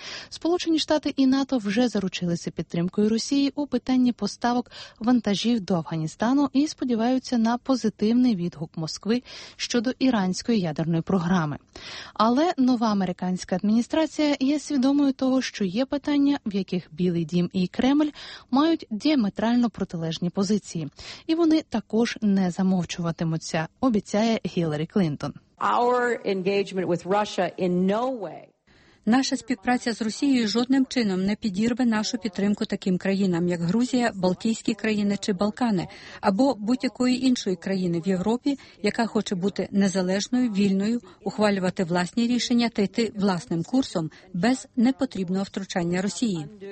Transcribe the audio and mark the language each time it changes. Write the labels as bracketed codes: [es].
[uk] Сполучені Штати і НАТО вже заручилися підтримкою Росії у питанні поставок вантажів до Афганістану і сподіваються на позитивний відгук Москви щодо іранської ядерної програми. Але нова американська адміністрація є свідомою того, що є питання, в яких Білий Дім і Кремль мають діаметрально протилежні позиції. І вони також не замовчуватимуться, обіцяє Гіларі Клінтон. [en] Our engagement with Russia in no way. [uk] Наша співпраця з Росією жодним чином не підірве нашу підтримку таким країнам, як Грузія, Балтійські країни чи Балкани, або будь-якої іншої країни в Європі, яка хоче бути незалежною, вільною, ухвалювати власні рішення та йти власним курсом без непотрібного втручання Росії.